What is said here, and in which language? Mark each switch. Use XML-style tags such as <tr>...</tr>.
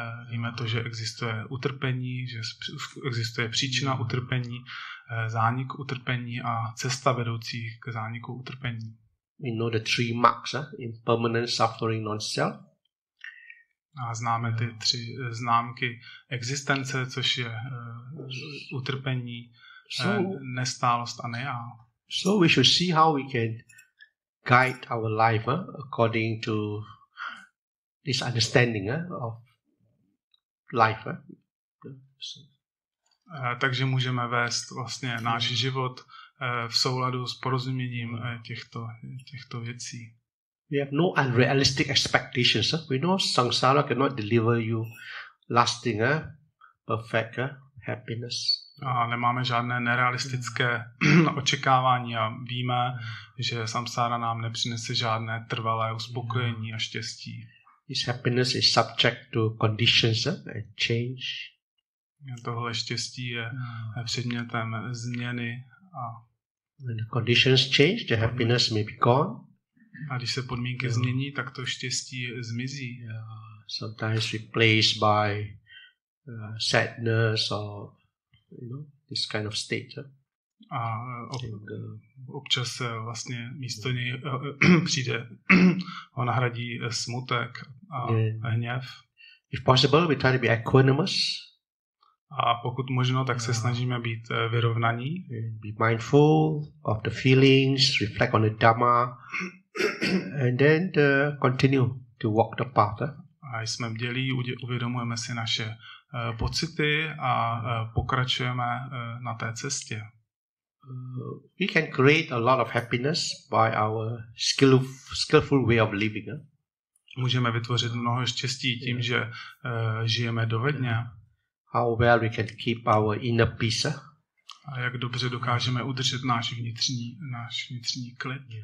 <cs>Víme to, že existuje utrpení, že existuje příčina utrpení, zánik utrpení a cesta vedoucí k zániku utrpení.</cs> <en>We know the three marks, impermanent suffering, non-self.</en> <cs>A známe ty tři známky existence, což je utrpení, nestálost a nejá.</cs> <en>So we should see how we can guide our life according to this understanding of life.</en> <cs>Takže můžeme vést vlastně náš život v souladu s porozuměním těchto věcí.</cs> <en>We have no unrealistic expectations. We know samsara cannot deliver you lasting, perfect happiness.</en> <cs>A nemáme žádné nerealistické očekávání a víme, že samsara nám nepřinese žádné trvalé uspokojení a štěstí.</cs> <en>This happiness is subject to conditions and change.</en> <cs>Tohle štěstí je předmětem změny a</cs> <en>when the conditions change, the happiness may be gone.</en> <cs>A když se podmínky změní, tak to štěstí zmizí.</cs> <en>Sometimes replaced by sadness or this kind of state.</en> <cs>A občas vlastně místo něj přijde, ho nahradí smutek a hněv.</cs> <en>If possible, we try to be equanimous.</en> <cs>A pokud možno, tak se snažíme být vyrovnaní.</cs> <en>Be mindful of the feelings, reflect on the Dhamma, and then continue to walk the path.</en> <cs>A jsme bdělí, uvědomujeme si naše pocity a pokračujeme na té cestě.</cs> <en>We can create a lot of happiness by our skillful way of living.</en> <cs>Můžeme vytvořit mnoho štěstí tím, že žijeme dovedně.</cs> <en>How well we can keep our inner peace.</en> <cs>A jak dobře dokážeme udržet náš vnitřní klid.</cs>